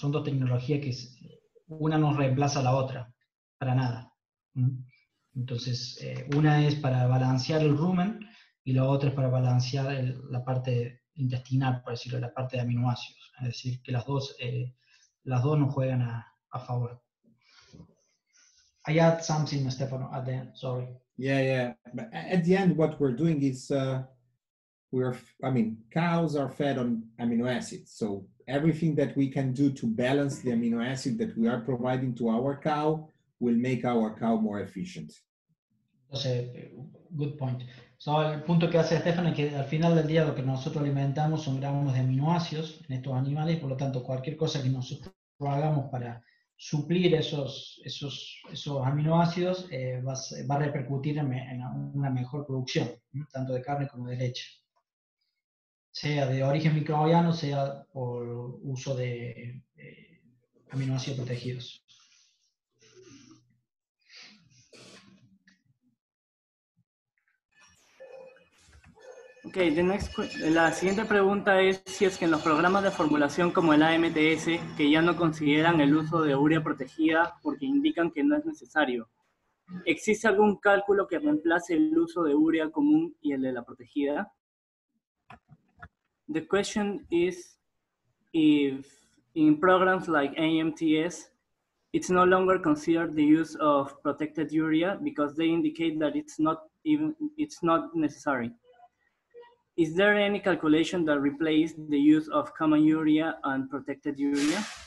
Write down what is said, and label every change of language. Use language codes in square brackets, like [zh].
[es] Son dos tecnologías que una no reemplaza a la otra, para nada. Entonces, una es para balancear el rumen y la otra es para balancear la parte intestinal, por decirlo, la parte de aminoácidos. Es decir, que las dos no juegan a favor. [en] I add something, Stefano, at the end, sorry. Yeah. But at the end, what we're doing is, cows are fed on amino acids. So everything that we can do to balance the amino acid that we are providing to our cow will make our cow more efficient. That's a good point. [es] So el punto que hace Stefano es que al final del día lo que nosotros alimentamos son gramos de aminoácidos en estos animales, por lo tanto cualquier cosa que nosotros hagamos para suplir esos aminoácidos va a repercutir en una mejor producción, tanto de carne como de leche. Sea de origen microbiano, sea por uso de aminoácidos protegidos. Okay, la siguiente pregunta es si es que en los programas de formulación como el AMTS, que ya no consideran el uso de urea protegida porque indican que no es necesario, ¿existe algún cálculo que reemplace el uso de urea común y el de la protegida? [en] The question is if in programs like AMTS, it's no longer considered the use of protected urea because they indicate that it's not necessary. Is there any calculation that replaces the use of common urea and protected urea?